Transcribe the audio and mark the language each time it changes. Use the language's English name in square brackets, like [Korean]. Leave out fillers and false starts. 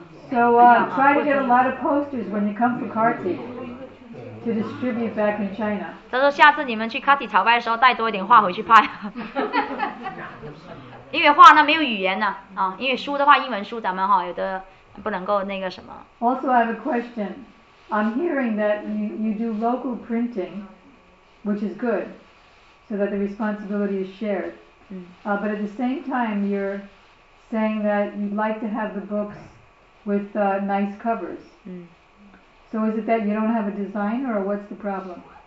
[English] So try to get a lot of posters when you come for Karthik. to distribute back in China. [Chinese] 他说下次你们去卡提朝拜的时候带多一点画回去派。因为画呢没有语言呢、啊、因为书的话英文书咱们哈有的不能够那个什么。 [English] Also I have a question. I'm hearing that you do local printing, which is good, so that the responsibility is shared.、But at the same time you're saying that you'd like to have the books with、nice covers.、So is it that you don't have a designer or what's the problem?